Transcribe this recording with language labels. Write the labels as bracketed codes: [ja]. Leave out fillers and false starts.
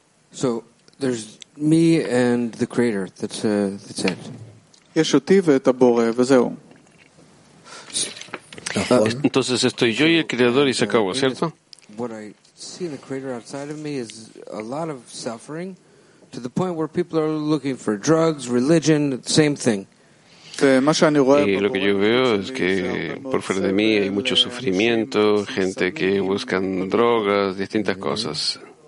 [en] So there's me and the creator, that's it. [es] Entonces estoy yo y el creador y se acabó, ¿cierto? [en] What I see in the creator outside of me is a lot of suffering to the point where people are looking for drugs, religion, same thing. [es] Y lo que yo veo es que por fuera de mí hay mucho sufrimiento, gente que buscan drogas, distintas cosas.